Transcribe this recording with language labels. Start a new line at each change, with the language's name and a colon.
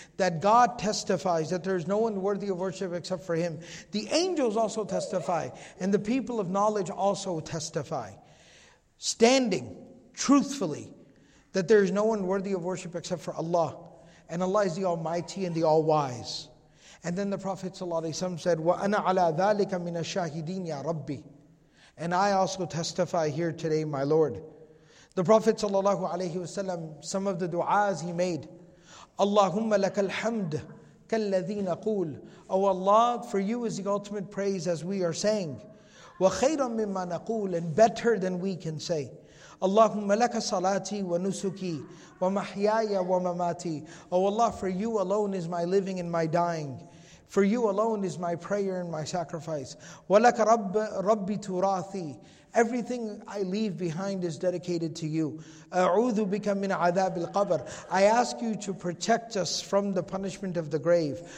English: That God testifies that there is no one worthy of worship except for Him. The angels also testify, and the people of knowledge also testify, standing truthfully, that there is no one worthy of worship except for Allah, and Allah is the Almighty and the All-Wise. And then the Prophet ﷺ said,
Arabic: وَأَنَا عَلَىٰ ذَٰلِكَ مِنَ الشَّاهِدِينَ يَا رَبِّي.
English: And I also testify here today, my Lord. The Prophet ﷺ, some of the du'as he made.
Arabic: اللهم لك الحمد كالذي نقول.
English: Oh Allah, for you is the ultimate praise as we are saying.
Arabic: وَخَيْرًا مِمَّا نَقُول.
English: And better than we can say.
Arabic: اللهم لك صلاتي ونسكي ومحياي ومماتي.
English: Oh Allah, for you alone is my living and my dying. For you alone is my prayer and my sacrifice.
Arabic: ولك رب ربي تراثي.
English: Everything I leave behind is dedicated to you.
Arabic: A'udhu bika min adhab al-qabr.
English: I ask you to protect us from the punishment of the grave.